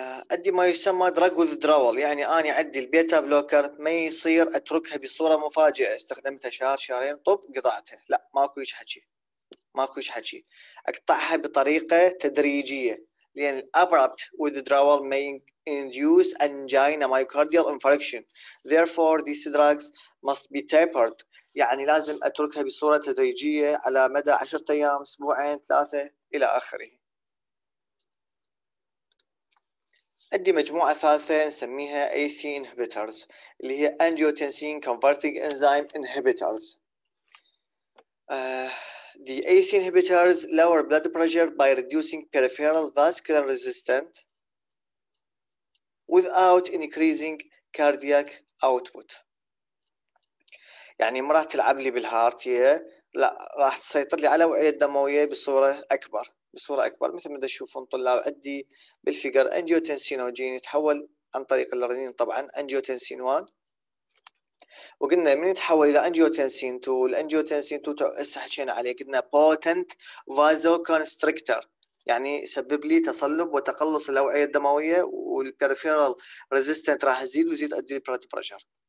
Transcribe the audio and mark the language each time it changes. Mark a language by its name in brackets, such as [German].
[Arabic] عندي ما يسمى دراج ويذدراول، يعني اني عندي البيتا بلوكر ما يصير اتركها بصوره مفاجئه، استخدمتها شهر شهرين طب قطعتها، لا ماكو هيك حكي، ماكو هيك حكي، اقطعها بطريقه تدريجيه، لأن [English] abrupt withdrawal may induce angina myocardial infarction. Therefore, these drugs must be tapered. [Arabic] يعني لازم أتركها بصورة تدريجية على مدى 10 أيام، أسبوعين، ثلاثة إلى آخره. عندي مجموعة ثالثة نسميها AC inhibitors، اللي هي angiotensin converting enzyme inhibitors. [English] The AC inhibitors lower blood pressure by reducing peripheral vascular resistance without increasing cardiac output. [Arabic] يعني ما راح تلعب لي بالهارت، لا راح تسيطر لي على الأوعية الدموية بصورة أكبر، مثل ما تشوفون طلاب عندي بالفيجر انجيوتنسينوجين يتحول عن طريق الرنين طبعا انجيوتنسين 1. وقلنا من يتحول الى انجيوتنسين 2، الانجيوتنسين 2 هسه حكينا عليه، قلنا بوتنت فازو كونستريكتر، يعني يسبب لي تصلب وتقلص الاوعيه الدمويه، والبريفيرال ريزيستنت راح يزيد ويزيد ادي بلاد بريشر.